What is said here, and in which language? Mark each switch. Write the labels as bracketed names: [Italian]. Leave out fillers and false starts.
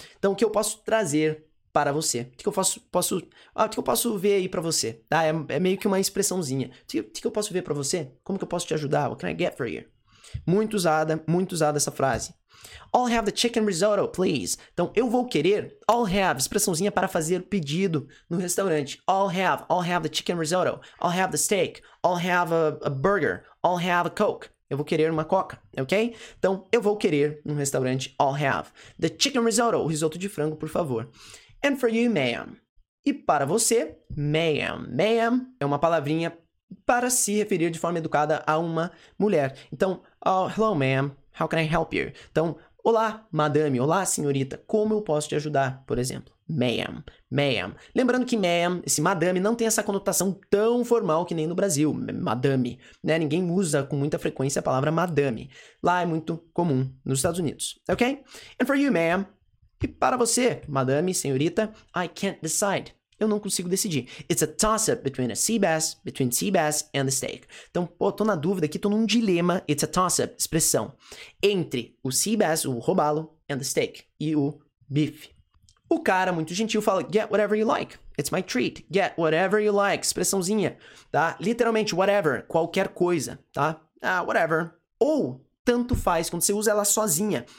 [Portuguese] Então, o que eu posso trazer para você? O que eu posso o que eu posso ver aí para você? Ah, é meio que uma expressãozinha. O que eu posso ver para você? Como que eu posso te ajudar? [English] What can I get for you? [Portuguese] Muito usada essa frase. [English] I'll have the chicken risotto, please. [Portuguese] Então, eu vou querer, [English] I'll have, [Portuguese] expressãozinha para fazer pedido no restaurante. [English] I'll have the chicken risotto. I'll have the steak. I'll have a burger. I'll have a Coke. [Portuguese] Eu vou querer uma coca, ok? Então, eu vou querer num restaurante [English] I'll have. The chicken risotto, [Portuguese] o risoto de frango, por favor. [English] And for you, ma'am. [Portuguese] E para você, ma'am. Ma'am é uma palavrinha para se referir de forma educada a uma mulher. Então, [English] oh, hello, ma'am. How can I help you? [Portuguese] Então, olá, madame. Olá, senhorita. Como eu posso te ajudar, por exemplo? Ma'am. Ma'am. Lembrando que ma'am, esse madame, não tem essa conotação tão formal que nem no Brasil. Madame. Né? Ninguém usa com muita frequência a palavra madame. Lá é muito comum nos Estados Unidos. Ok? [English] And for you, ma'am. [Portuguese] E para você, madame, senhorita, [English] I can't decide. [Portuguese] Eu não consigo decidir. [English] It's a toss-up between a sea bass, between sea bass and the steak. [Portuguese] Então, pô, tô na dúvida aqui, tô num dilema. [English] It's a toss-up, [Portuguese] expressão. Entre o sea bass, o robalo, [English] and the steak. [Portuguese] E o bife. O cara, muito gentil, fala, [English] get whatever you like. It's my treat. Get whatever you like. [Portuguese] Expressãozinha, tá? Literalmente, [English] whatever. [Portuguese] Qualquer coisa, tá? Ah, whatever. Ou... tanto faz quando você usa ela sozinha.